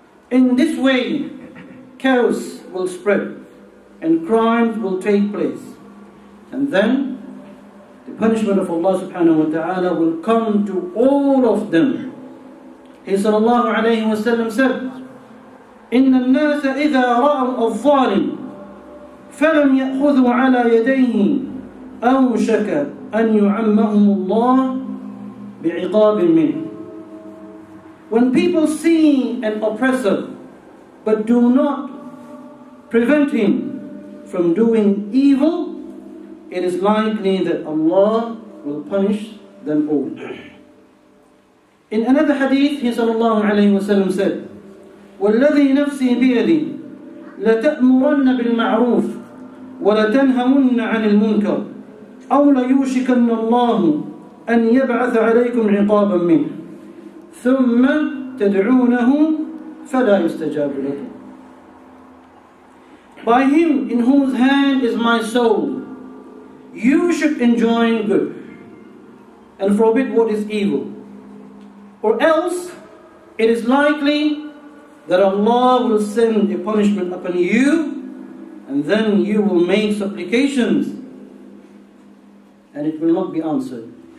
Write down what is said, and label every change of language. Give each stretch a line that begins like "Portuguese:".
English: In this way, chaos will spread and crimes will take place. And then the punishment of Allah subhanahu wa ta'ala will come to all of them. He sallallahu alayhi wa sallam said,
Arabic: إِنَّ النَّاسَ إِذَا رَأَوْا الظَّالِمِ فلم يأخذوا على يديه أوشك أن يعمهم الله بعقاب منه.
English: When people see an oppressor but do not prevent him from doing evil, it is likely that Allah will punish them all. In another hadith, he sallallahu alayhi wasallam said,
Arabic: وَالَّذِي نَفْسِي بِيَدِي لَتَأْمُرَنَّ بِالْمَعْرُوفِ وَلَتَنْهَوُنَّ عَنِ الْمُنْكَرِ أَوْ لَيُوشِكَنَّ اللَّهُ أَنْ يَبْعَثَ عَلَيْكُمْ عِقَابًا مِنْهُ ثُمَّ تَدْعُونَهُ فَلَا يُسْتَجَابُ لَكُمْ.
English: By him in whose hand is my soul, you should enjoin good and forbid what is evil. Or else, it is likely that Allah will send a punishment upon you, and then you will make supplications and it will not be answered.